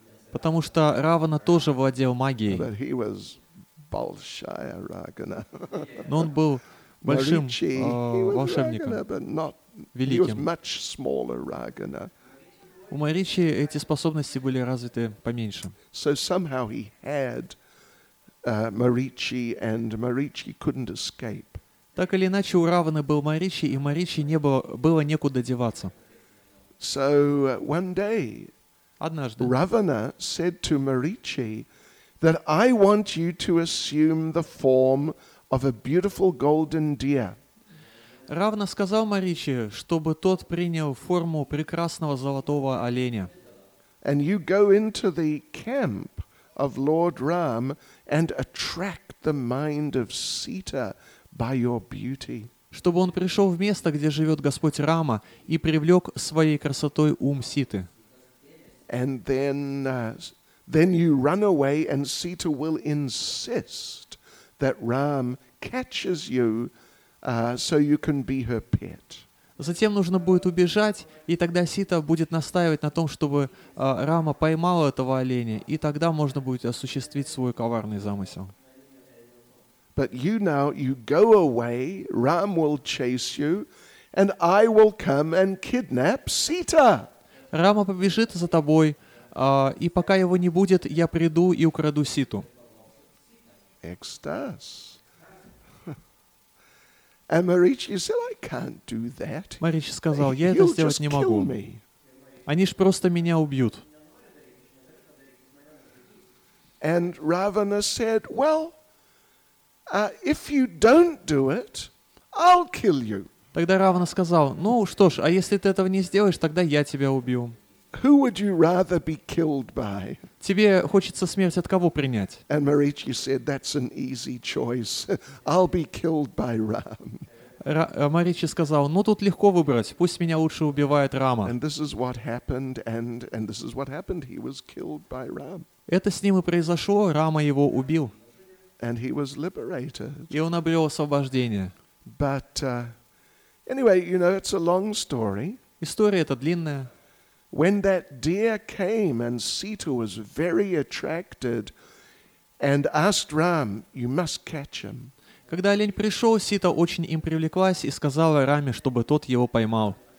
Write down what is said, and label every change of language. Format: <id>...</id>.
<ru>Потому что Равана тоже владел магией.</ru> <en>But he was</en> <ru>большая Рагана. Но он был большим волшебником, великим.</ru> <en>He was much smaller Рагана.</en> <ru>У Маричи эти способности были развиты поменьше.</ru> <en>So somehow he had Marichi, and Marichi couldn't escape.</en> <ru>Так или иначе, у Раваны был Маричи, и Маричи не было, было некуда деваться.</ru> <en>So one day,</en> <ru>однажды,</ru> <en>Ravana said to Marichi that I want you to assume the form of a beautiful golden deer.</en> <ru>Равана сказал Маричи, чтобы тот принял форму прекрасного золотого оленя.</ru> <en>And you go into the camp of Lord Ram and attract the mind of Sita by your beauty.</en> <ru>Чтобы он пришел в место, где живет Господь Рама, и привлек своей красотой ум Ситы.</ru> <en>And then you run away, and Sita will insist that Ram catches you. So you can be her pet.</en> <ru>Затем нужно будет убежать, и тогда Сита будет настаивать на том, чтобы Рама поймал этого оленя, и тогда можно будет осуществить свой коварный замысел.</ru> <en>But you now you go away, Ram will chase you, and I will come and kidnap Sita.</en> <ru>Рама побежит за тобой, и пока его не будет, я приду и украду Ситу. Экстаз.</ru> <en>And Marichi said, "I can't do that."</en> <ru>Маричи сказал, я это сделать не могу. Они ж просто меня убьют.</ru> <en>And Ravana said, "Well, if you don't do it, I'll kill you."</en> <ru>Тогда Равана сказал, ну что ж, а если ты этого не сделаешь, тогда я тебя убью.</ru> <en>Who would you rather be killed by?</en> <ru>Тебе хочется смерть от кого принять?</ru> <en>And Marichi said, "That's an easy choice. I'll be killed by Ram."</en> <ru>Маричи сказал, ну тут легко выбрать, пусть меня лучше убивает Рама. Это с ним и произошло, Рама его убил.</ru> <en>And he was liberated.</en> <ru>И он обрел освобождение.</ru> <en>But, anyway, you know, it's a long story.</en> <ru>История эта длинная.</ru> <en>When that deer came and Sita was very attracted and asked Ram, you must catch him.</en> <ru>Когда олень пришел, Сита очень им привлеклась и сказала Раме, чтобы тот его поймал.</ru>